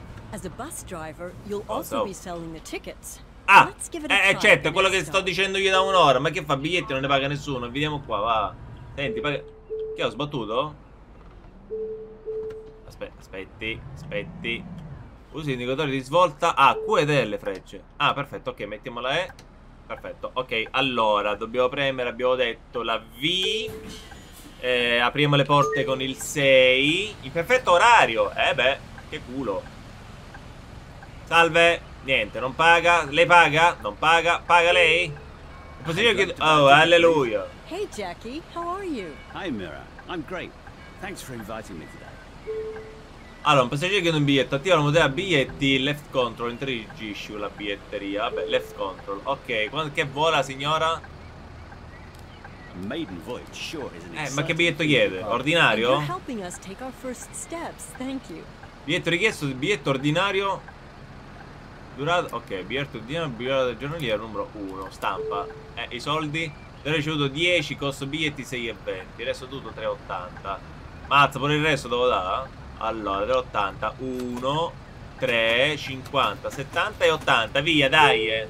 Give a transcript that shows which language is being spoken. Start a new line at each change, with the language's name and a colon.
English: As a bus driver, you'll also be selling the tickets.
Italian: Ah, certo, è quello che sto dicendo io da un'ora. Ma che fa, biglietti non ne paga nessuno. Vediamo qua, va. Senti, paga... Che ho sbattuto? Aspetti. Usi indicatore di svolta. Ah, Q ed L, frecce. Ah, perfetto, ok, mettiamo la E. Perfetto, ok, allora dobbiamo premere, abbiamo detto, la V. Apriamo le porte con il 6. In perfetto orario. Beh, che culo. Salve, niente, non paga. Lei paga? Non paga. Paga lei? Possiamo chiedere. Oh, alleluia.
English: Hey Jackie, how are you? Hi Mira, I'm great. Thanks for inviting me today.
Italian: Allora, un passeggero chiede un biglietto. Attiva la modalità biglietti. Left control, interagisci la biglietteria. Vabbè, left control. Ok, che vola, signora?
English: Maiden voyage, sure, isn't it?
Italian: Ma che biglietto chiede? Ordinario?
English: You're helping us take our first steps, thank you.
Italian: Biglietto richiesto, biglietto ordinario. Durata, ok, biglietto di durata giornaliera numero 1, stampa. I soldi? Ho ricevuto 10, costo biglietti 6,20. Il resto tutto 3,80. Mazza, pure il resto devo dare. Allora, 80, 1, 3, 50, 70 e 80. Via, dai.